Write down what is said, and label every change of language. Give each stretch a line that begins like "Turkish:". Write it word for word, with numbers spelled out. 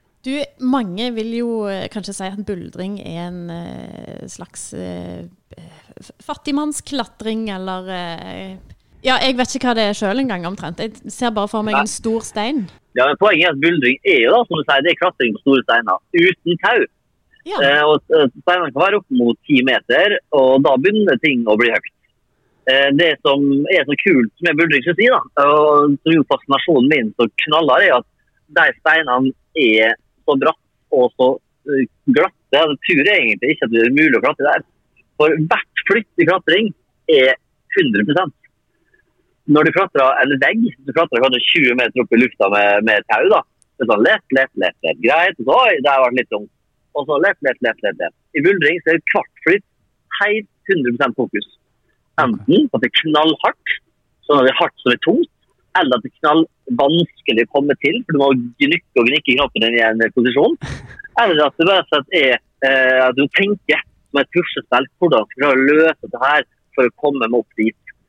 Swedish: Du, många vill ju kanske säga att buldring är en slags eh, fattigmansklättring eller eh, ja, jag vet inte vad det är själv en gång omtrent. Jag ser bara för mig en stor sten.
Norwegian: Ja, men poenget er at buldring er jo da, som du sier, det er klatring på store steiner, uten tau. Ja. Eh, og steiner kan være opp mot ti meter, og da begynner ting å bli høyt. Eh, det som er så kult med buldring, synes jeg da, og som gjør fascinasjonen min så knaller, er at de steinene er så bratt og så glatte. Det tror jeg egentlig ikke at det er mulig å klatre der. For hvert flytt i klatring er hundre prosent. Når du klatrer en vegg, du klatrer kanskje tjue meter opp i lufta med, med tau da. Det er sånn lett, lett, lett, lett, greit. Og så, oi, det har vært litt tungt. Og så lett, lett, lett, lett, lett. I buldring så er det kvartflytt helt hundre prosent fokus. Enten at det er knallhardt, sånn at det er hardt som er tungt, eller at det knall vanskelig å komme til, for du må gnykke og gnikke kroppen din i en posisjon, eller at det bare er eh, at du tenker som et puslespill, hvordan skal du løse det her for å komme meg opp dit.